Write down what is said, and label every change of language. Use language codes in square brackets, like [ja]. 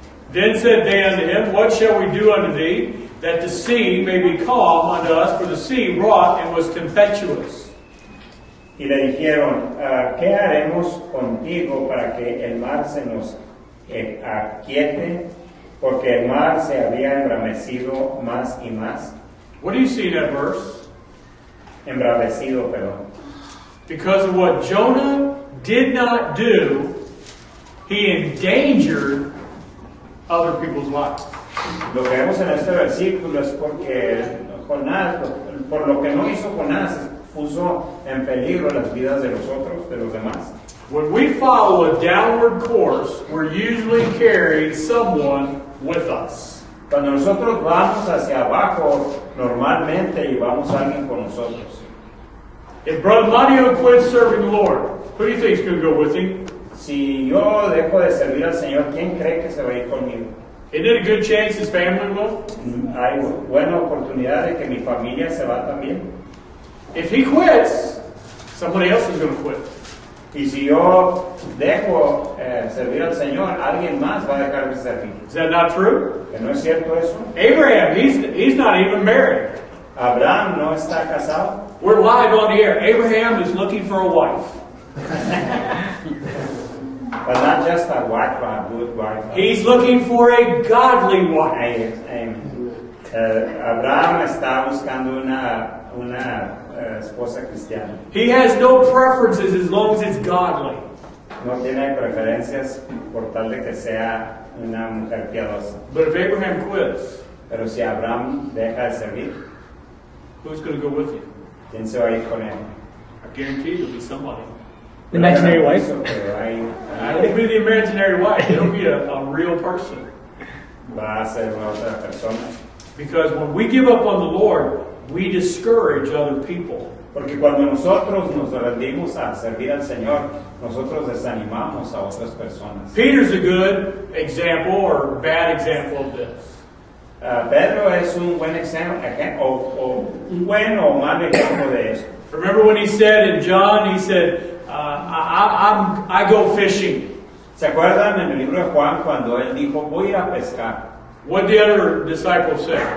[en] Then said they unto him, what shall we do unto thee, that the sea may be calm unto us? For the sea wrought and was tempestuous. [es] Y le dijeron, ¿qué haremos contigo para que el mar se nos aquiete? Porque el mar se había embravecido más y más. [en] What do you see in that verse? [es] Embravecido, perdón. [en] Because of what Jonah did not do, he endangered other people's lives. [es] Lo que vemos en este versículo es porque Jonás, por lo que no hizo Jonás, puso en peligro las vidas de los otros, de los demás. [en] When we follow a downward course, we're usually carrying someone with us. [es] Cuando nosotros vamos hacia abajo, normalmente llevamos a alguien con nosotros. [en] If Brother Mario quits serving the Lord, who do you think is going to go with him? [es] Si yo dejo de servir al Señor, ¿quién cree que se va a ir conmigo? [en] Isn't it a good chance his family will? [es] Hay buena oportunidad de que mi familia se va también. [en] If he quits, somebody else is going to quit. [es] Y si yo dejo servir al Señor, alguien más va a dejar de servir. [en] Is that not true? [es] ¿Que no es cierto eso? [en] Abraham, he's not even married. [es] Abraham no está casado. [en] We're live on the air. Abraham is looking for a wife. But not just a wife, but a good wife. He's looking for a godly wife. [es] Abraham está buscando una esposa cristiana. [en] He has no preferences as long as it's godly. [es] no tiene preferencias por tal de que sea una mujer piadosa. [en] But if Abraham quits, [es] pero si Abraham deja de servir, [en] who's going to go with him? [es] ¿Quién se va a ir con él? [en] I guarantee there'll be somebody. The imaginary wife? It'll be the imaginary wife. It'll be a real person. [es] Va a ser una otra persona. [en] Because when we give up on the Lord, we discourage other people. [es] Porque cuando nosotros nos rendimos a servir al Señor, nosotros desanimamos a otras personas. [en] Peter's a good example or bad example of this. [es] Pedro es un buen ejemplo, o un buen o mal ejemplo de esto. [en] Remember when he said in John, he said, I go fishing. [es] ¿Se acuerdan en el libro de Juan cuando él dijo, voy a pescar? [en] What did the other disciples say?